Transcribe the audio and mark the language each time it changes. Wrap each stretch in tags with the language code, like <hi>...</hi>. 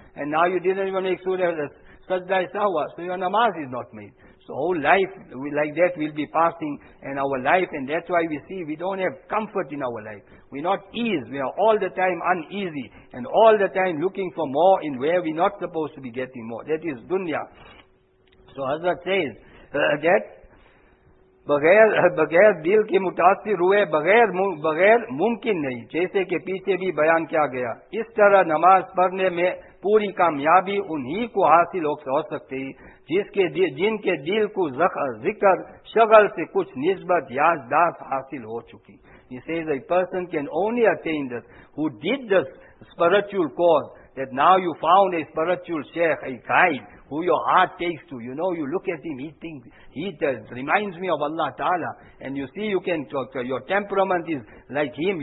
<en>And now you didn't even make Surah sajda sahwa. So your namaz is not made. So whole life like that will be passing in our life. And that's why we see we don't have comfort in our life. We're not ease. We are all the time uneasy. And all the time looking for more in where we're not supposed to be getting more. That is dunya.</en> <ur>So Hazrat says that, بغیر دل کے متاثر ہوئے بغیر ممکن نہیں جیسے کہ پیچھے بھی بیان کیا گیا اس طرح نماز پڑھنے میں پوری کامیابی انہی کو حاصل ہو سکتی جن کے دل کو ذکر شغل سے کچھ نسبت یادداشت حاصل ہو چکی.</ur> <en>He says a person can only attain this who did this spiritual cause, that now you found a spiritual sheikh, a guide who your heart takes to. You know, you look at him, he thinks, he does, reminds me of Allah Ta'ala. And you see, you can talk to, your temperament is like him.</en>